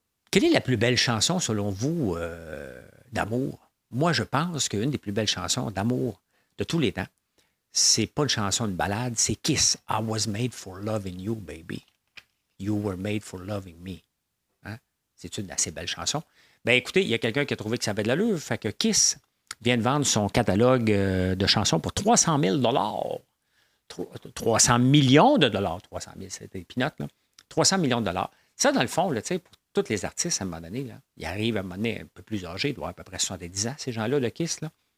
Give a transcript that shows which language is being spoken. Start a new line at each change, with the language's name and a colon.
French: Quelle est la plus belle chanson, selon vous, d'amour? Moi, je pense qu'une des plus belles chansons d'amour de tous les temps, c'est pas une chanson de balade, c'est Kiss.
English: I was made for loving you, baby. You were made for loving me.
French: Hein? C'est une assez belle chanson. Ben écoutez, il y a quelqu'un qui a trouvé que ça avait de l'allure, fait que Kiss vient de vendre son catalogue de chansons pour 300 000 $ 300 millions de dollars. 300 000, c'était peanut, là. 300 millions de dollars. Ça, dans le fond, là, tu sais, pour tous les artistes, à un moment donné, là, ils arrivent à un moment donné un peu plus âgés, ils doivent avoir à peu près 70 ans, ces gens-là, le Kiss, là.